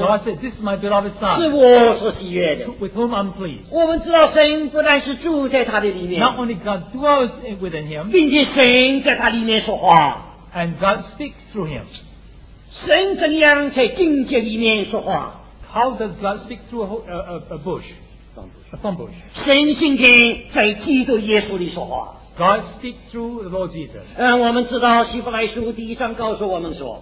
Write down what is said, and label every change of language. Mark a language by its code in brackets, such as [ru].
[en] God said this is my beloved son, [zh] 是我所喜悦的, [en] with whom I'm pleased. [zh] 我们知道神不但是住在他的里面, [en] not only God dwells within him, [zh] 并且神在他里面说话, [en] and God speaks through him. [zh] 神怎样在境界里面说话? [en] How does God speak through a bush? A thorn bush. [zh] 神今天在基督耶稣里说话。 [en] God speaks through the Lord Jesus. [zh] 我们知道希伯来书第一章告诉我们说